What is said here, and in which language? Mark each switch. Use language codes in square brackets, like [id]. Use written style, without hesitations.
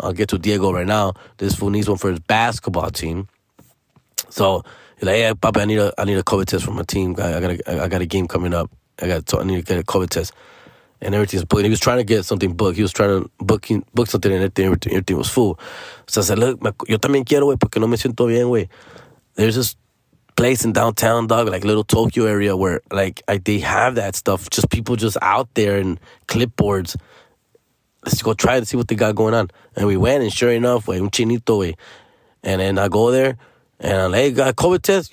[en] I'll get to Diego right now. This fool needs one for his basketball team. So he's like, yeah, Papa, I need a COVID test for my team. I got a game coming up. I need to get a COVID test. And everything's booked. And he was trying to get something booked. He was trying to book something and everything was full. So I said, look, [es] yo también quiero, güey, porque no me siento bien, güey. [en] There's this place in downtown, dog, like little Tokyo area where like they have that stuff. Just people just out there and clipboards. Let's go try and see what they got going on. And we went and sure enough, güey, [es] un chinito, güey. [en] And then I go there and I'm like, hey, got a COVID test?